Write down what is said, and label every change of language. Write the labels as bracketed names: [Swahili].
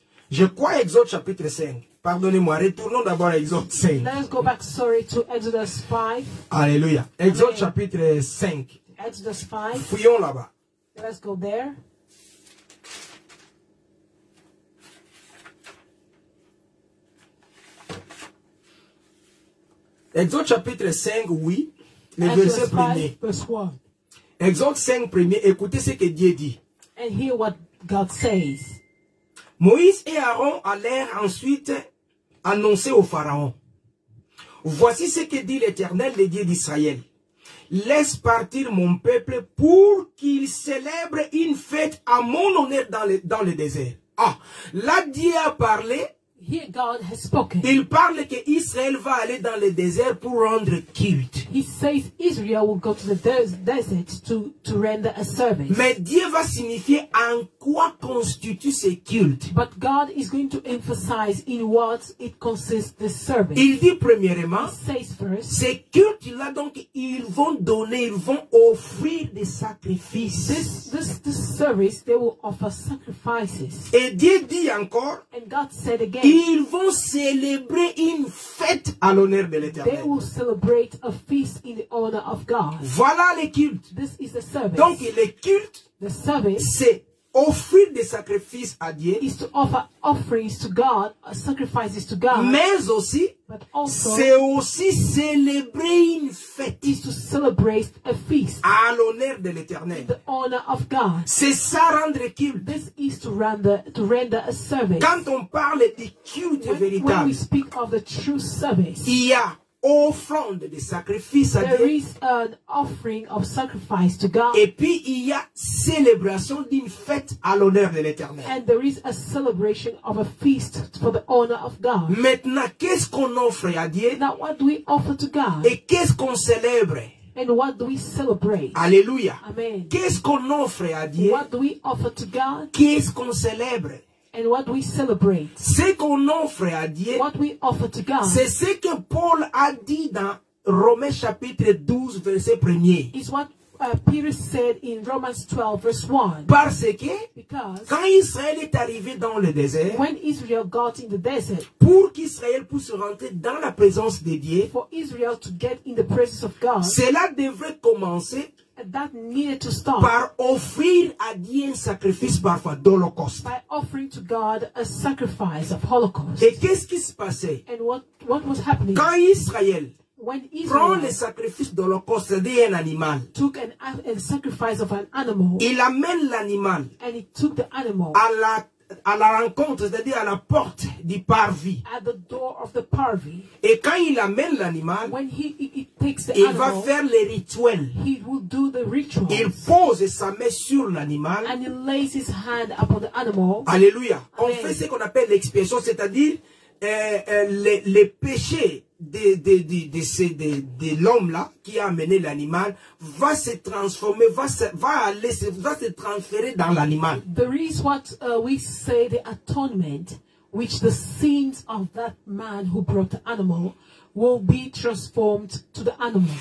[French] Je crois Exode chapitre 5. Pardonnez-moi, retournons d'abord à Exode 5. [English] Let's go back, sorry, to Exodus 5. [French] Alléluia. Exode Amen. Chapitre 5. [English] Exodus 5. [French] Fuyons là-bas. [English] Let's go there. [French] Exode chapitre 5, oui. Le [English] Exodus [French] verset 5, premier. [English] Verse 1. [French] Exode 5, premier. Écoutez ce que Dieu dit. [English] And hear what God says. [French] Moïse et Aaron allèrent ensuite annoncer au Pharaon. Voici ce que dit l'Éternel, le Dieu d'Israël. Laisse partir mon peuple pour qu'il célèbre une fête à mon honneur dans le désert. Ah, là Dieu a parlé. [English] Here God has spoken. [French] Il parle que Israël va aller dans le désert pour rendre culte. [English] He says Israel will go to the desert to render a service. [French] Mais Dieu va signifier en quoi constitue ce culte. [English] But God is going to emphasize in what it consists the service. [French] Il dit premièrement, [English] he says first, [French] ce culte là donc ils vont donner, ils vont offrir des sacrifices. [English] This service they will offer sacrifices. [French] Et Dieu dit encore, [English] and God said again, [French] ils vont célébrer une fête à l'honneur de l'Éternel. [English] They will celebrate a feast in the honor of God. [French] Voilà le culte. [English] This is the service. [French] Donc le culte, [English] the service, [French] c'est offrir des sacrifices à Dieu. [English] Is to offer offerings to God, sacrifices to God. [French] Mais aussi, [English] but also, [French] c'est aussi célébrer une fête. [English] Is to celebrate a feast. [French] À l'honneur de l'Éternel. [English] The honor of God. [French] C'est ça rendre culte. [English] This is to render a service. [French] Quand on parle du culte véritable, [English] when we speak of the true service, [French] il y a offrande de sacrifice à Dieu. [English] There is an offering of sacrifice to God. [French] Et puis il y a célébration d'une fête à l'honneur de l'Éternel. [English] And there is a celebration of a feast for the honor of God. [French] Maintenant, qu'est-ce qu'on offre à Dieu? [English] Now what do we offer to God? [French] Et qu'est-ce qu'on célèbre? [English] And what do we celebrate? Alléluia. Amen. [French] Qu'est-ce qu'on offre à Dieu? [English] What do we offer to God? [French] Qu'est-ce qu'on célèbre? [English] And what we celebrate? [French] Ce qu'on offre à Dieu, [English] what we offer to God, [French] c'est ce que Paul a dit dans Romains chapitre 12 verset 1er. [English] Is what Peter said in Romans 12 verse 1. [French] Parce que, [English] because [French] quand Israël est arrivé dans le désert, [English] when Israel got in the desert, [French] pour qu'Israël puisse rentrer dans la présence de Dieu, [English] for Israel to get in the presence of God, [French] cela devrait commencer [English] that needed to start [French] par offrir à Dieu un sacrifice parfois d'Holocauste. [English] By offering to God a sacrifice of Holocaust. [French] Et qu'est-ce qui se passait? [English] And what was happening? [French] Quand Israël, [English] when Israel [French] prend le sacrifice d'Holocauste, c'est-à-dire un animal, [English] took a sacrifice of an animal, [French] il amène l'animal, [English] and he took the animal [French] à la rencontre, c'est-à-dire à la porte du parvis. [English] At the door of the parvis. [French] Et quand il amène l'animal, [English] when he takes the [French] il [English] animal, [French] va faire les rituels. [English] He will do the rituals. [French] Il pose sa main sur l'animal. [English] And he lays his hand upon the animal. [French] Alléluia. On fait ce qu'on appelle l'expiation, c'est-à-dire les péchés de l'homme là qui a amené l'animal va se transformer, va se transférer dans l'animal. [English] There is what we say the atonement, which the sins of that man who brought the animal will be transformed to the animal.